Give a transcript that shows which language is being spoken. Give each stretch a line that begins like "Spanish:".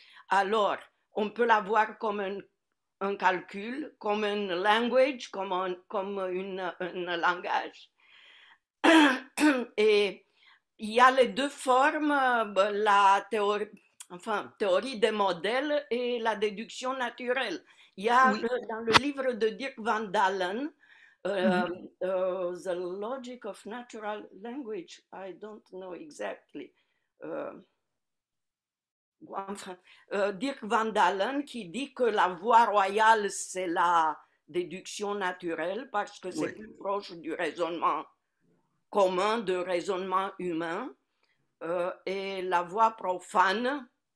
French: Alors, on peut la voir comme un calcul, comme un language, comme un langage. Et il y a les deux formes, la théorie des modèles et la déduction naturelle. Il y a, oui. Dans le livre de Dirk van Dalen,
English: The logic of natural language, I don't know exactly.
French: Dirk van Dalen qui dit que la voie royale, c'est la déduction naturelle parce que c'est plus proche du raisonnement commun, de raisonnement humain, et la voie profane,